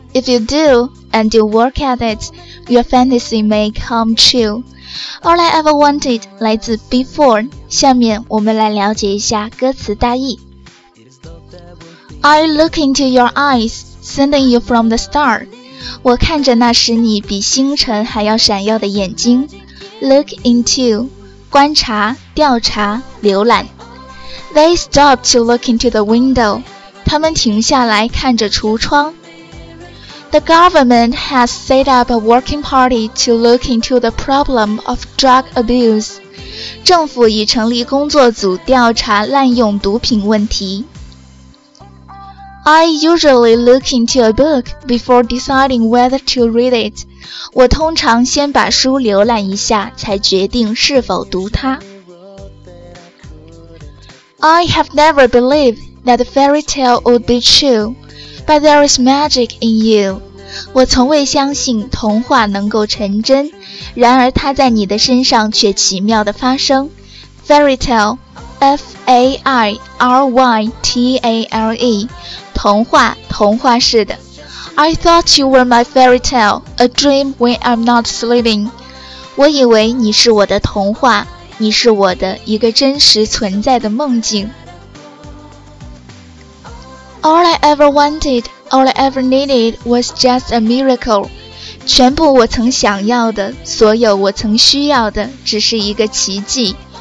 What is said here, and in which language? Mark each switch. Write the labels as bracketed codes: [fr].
[en] If you do, and you work at it, your fantasy may come true. All I ever wanted [zh] 来自 [en] Before. [zh] 下面我们来了解一下歌词大意。 [en] I look into your eyes, sending you from the start. [zh] 我看着那时你比星辰还要闪耀的眼睛 Look into 观察、调查、浏览。 [en] They stopped to look into the window [zh] 他们停下来看着橱窗。 [en] The government has set up a working party to look into the problem of drug abuse [zh] 政府已成立工作组调查滥用毒品问题。 [en] I usually look into a book before deciding whether to read it. [zh] 我通常先把书浏览一下才决定是否读它。 [en] I have never believed that a fairy tale would be true, but there is magic in you. [zh] 我从未相信童话能够成真，然而它在你的身上却奇妙地发生。 [en] Fairy tale, F-A-I-R-Y-T-A-L-E. [zh] 童话，童话似的。 [en] I thought you were my fairy tale, a dream when I'm not sleeping. [zh] 我以为你是我的童话，你是我的一个真实存在的梦境。 [en] All I ever wanted, all I ever needed was just a miracle. [zh] 全部我曾想要的，所有我曾需要的，只是一个奇迹。